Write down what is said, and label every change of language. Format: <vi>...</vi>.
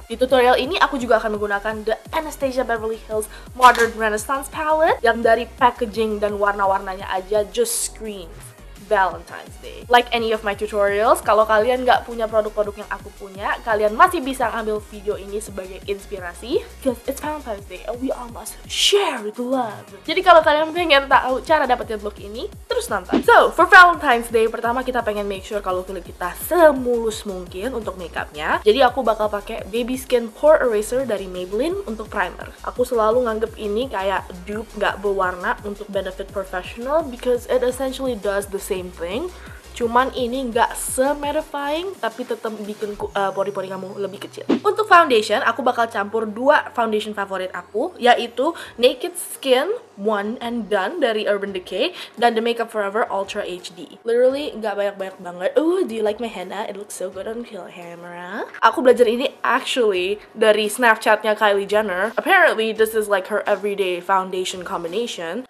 <id>Di tutorial ini aku juga akan menggunakan the Anastasia Beverly Hills Modern Renaissance Palette yang dari packaging dan warna-warnanya aja</id> <en>just screams Valentine's Day. Like any of my tutorials,</en> <id>kalau kalian nggak punya produk-produk yang aku punya, kalian masih bisa ambil video ini sebagai inspirasi.</id> <en>Because it's Valentine's Day and we all must share the love.</en> <id>Jadi kalau kalian pengen tahu cara dapetin look ini, terus nonton.</id> <en>So, for Valentine's Day,</en> <id>pertama kita pengen</id> <en>make sure</en> <id>kalau kulit kita semulus mungkin untuk makeupnya. Jadi aku bakal pakai Baby Skin Pore Eraser dari Maybelline untuk primer. Aku selalu nganggep ini kayak dupe nggak berwarna untuk benefit professional</id> <en>because it essentially does the same thing,</en> <id>cuman ini nggak se-mattifying, tapi tetap bikin pori-pori kamu lebih kecil. Untuk foundation, aku bakal campur dua foundation favorit aku, yaitu Naked Skin One and Done dari Urban Decay dan The Makeup Forever Ultra HD. Literally nggak banyak-banyak banget.</id> <en>Oh, do you like my henna? It looks so good on camera.</en> <id>Aku belajar ini actually dari Snapchatnya Kylie Jenner.</id> <en>Apparently this is like her everyday foundation combination.</en>